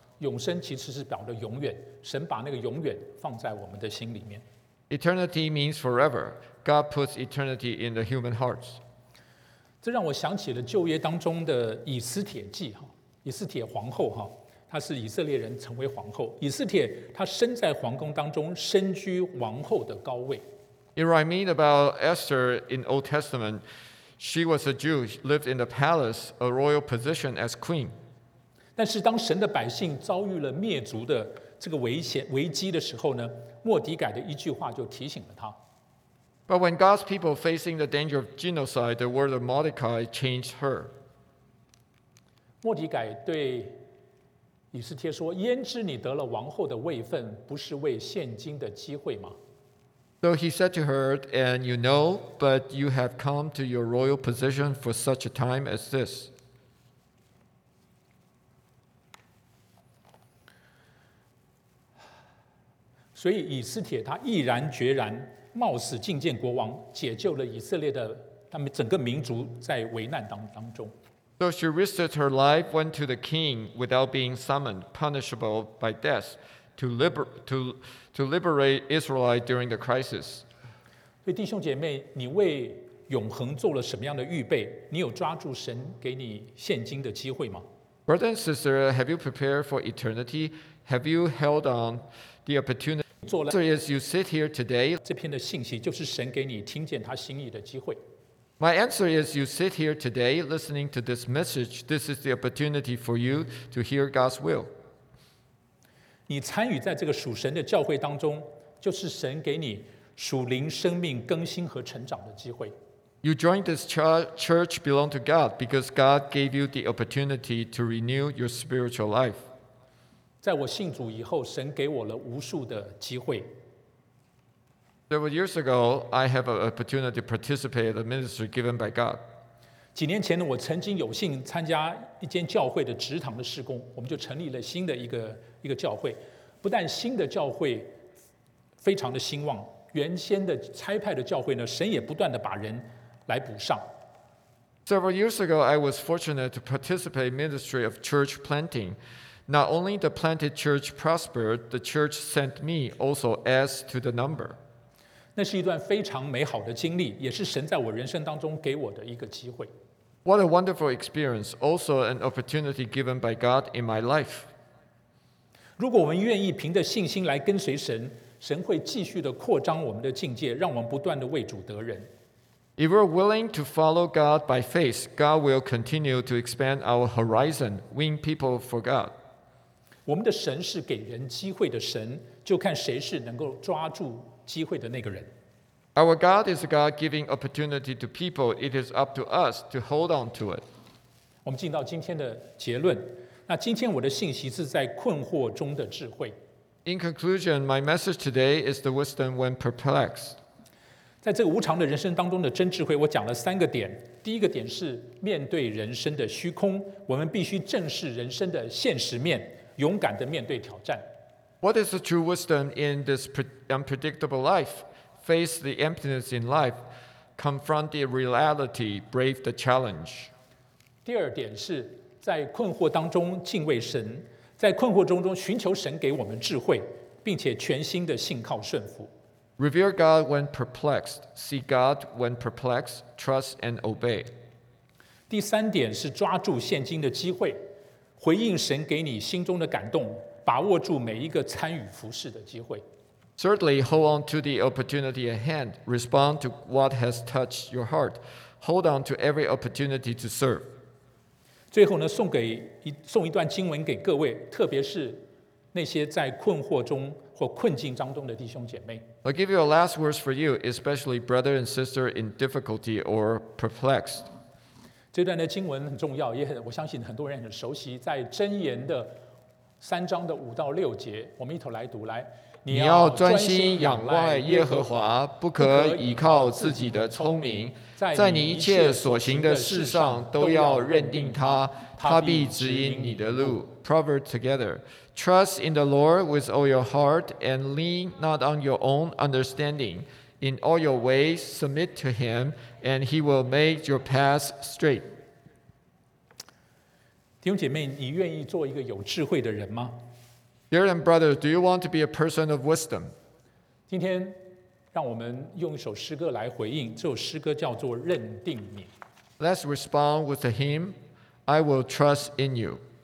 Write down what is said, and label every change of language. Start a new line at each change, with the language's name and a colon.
Chinese: 永生其实是表的永远，神把那个永远放在我们的心里面。
English: Eternity means forever. God puts eternity in the human hearts.
Chinese: 这让我想起了旧约当中的以斯帖记，以斯帖皇后，她是以色列人成为皇后。以斯帖她身在皇宫当中，身居王后的高位。
English: It reminds me about Esther in Old Testament. She was a Jew, lived in the palace, a royal position as queen.
Chinese: 但是当神的百姓遭遇了灭族的这个危机的时候呢，莫迪改的一句话就提醒了她。
English: But when God's people facing the danger of genocide, the word of Mordecai changed her.
Chinese: 莫迪改对以斯帖说：“焉知你得了王后的位分，不是为现今的机会吗
English: ？”So he said to her, "And you know, but you have come to your royal position for such a time as this."
Chinese: 所以以斯帖他毅然决然，冒死觐见国王，解救了以色列的他们整个民族在危难 当中。
English: So she risked her life, went to the king without being summoned, punishable by death, to liberate Israelite during the crisis.
Chinese: 所以弟兄姐妹，你为永恒做了什么样的预备？你有抓住神给你现今的机会吗？
English: Brother and sister, have you prepared for eternity? Have you held on the opportunity? So as you sit here today,
Chinese: 这篇的信息就是神给你听见他心意的机会。
English: My answer is, you sit here today listening to this message. This is the opportunity for you to hear God's will.
Chinese: 你参与在这个属神的教会当中，就是神给你属灵生命更新和成长的机会。
English: You joined this church belong to God because God gave you the opportunity to renew your spiritual life.
Chinese: 在我信主以后，神给我了无数的机会。
English: Several years ago, I have an opportunity to participate in the ministry given by God.
Chinese: 几年前我曾经有幸参加一间教会的职堂的事工，我们就成立了新的一个教会。不但新的教会非常的兴旺，原先的差派的教会呢，神也不断的把人来补上。
English: Several years ago, I was fortunate to participate in the ministry of church planting. Not only the planted church prospered, the church sent me also as to the number.
Chinese: 那是一段非常美好的经历，也是神在我人生当中给我的一个机会。
English: What a wonderful experience, also an opportunity given by God in my life.
Chinese: 如果我们愿意凭着信心来跟随神，神会继续的扩张我们的境界，让我们不断的为主得人。
English: If we're willing to follow God by faith, God will continue to expand our horizon, win people for God.
Chinese: 我们的神是给人机会的神，就看谁是能够抓住机会的那个人。
English: Our God is a God giving opportunity to people. It is up to us to hold on to it.
Chinese: 我们进到今天的结论。那今天我的信息是在困惑中的智慧。
English: In conclusion, my message today is the wisdom when perplexed.
Chinese: 在这个无常的人生当中的真智慧，我讲了三个点。第一个点是面对人生的虚空，我们必须正视人生的现实面。勇敢地面对挑战。
English: What is the true wisdom in this unpredictable life? Face the emptiness in life, confront the reality, brave the challenge.
Chinese: 第二点是在困惑当中敬畏神，在困惑中寻求神给我们智慧，并且全心的信靠顺服。
English: Revere God when perplexed. See God when perplexed. Trust and obey.
Chinese: 第三点是抓住现今的机会。回应神给你心中的感动，把握住每一个参与服事的机会。
English: Certainly, hold on to the opportunity at hand. Respond to what has touched your heart. Hold on to every opportunity to serve.
Chinese: 最后呢，送一段经文给各位，特别是那些在困惑中或困境当中的弟兄姐妹。
English: I'll give you a last words for you, especially brother and sister in difficulty or perplexed.
Chinese: 这段的经文很重要，我相信很多人很熟悉，在箴言的三章的五到六节，我们一同来读来。你要专心仰赖耶和华，不可依靠自己的聪明，在你一切所行的事上都要认定他，他必指引你的路。
English: Proverbs together. Trust in the Lord with all your heart and lean not on your own understanding. In all your ways, submit to him, and he will make your paths straight.
Chinese: 弟兄姐妹，你愿意做一个有智慧的人吗？
English: Dear and brothers, do you want to be a person of wisdom?
Chinese: 今天让我们用一首诗歌来回应，这首诗歌叫做《认定你》。
English: Let's respond with a hymn, I will trust in you.